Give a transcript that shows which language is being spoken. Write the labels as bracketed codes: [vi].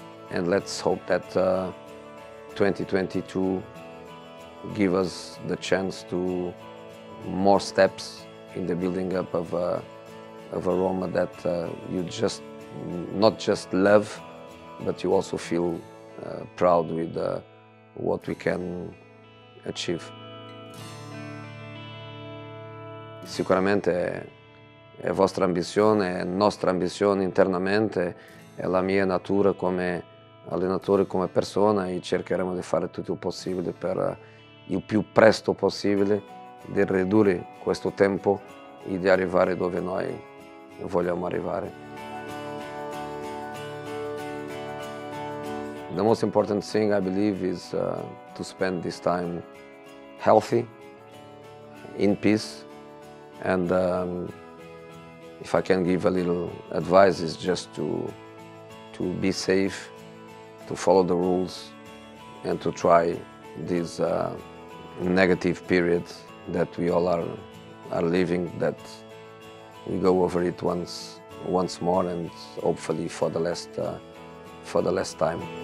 [en] And let's hope that 2022 give us the chance to more steps in the building up of a Roma that you just not just love, but you also feel proud with what we can achieve. [it] Sicuramente è vostra ambizione, è nostra ambizione internamente, è la mia natura come allenatore, come persona, e cercheremo di fare tutto il possibile per il più presto possibile di ridurre questo tempo e di arrivare dove noi vogliamo arrivare. [en] The most important thing, I believe, is to spend this time healthy, in peace. And if I can give a little advice, is just to be safe, to follow the rules, and to try this negative period that we all are living, that we go over it once more, and hopefully for the last time.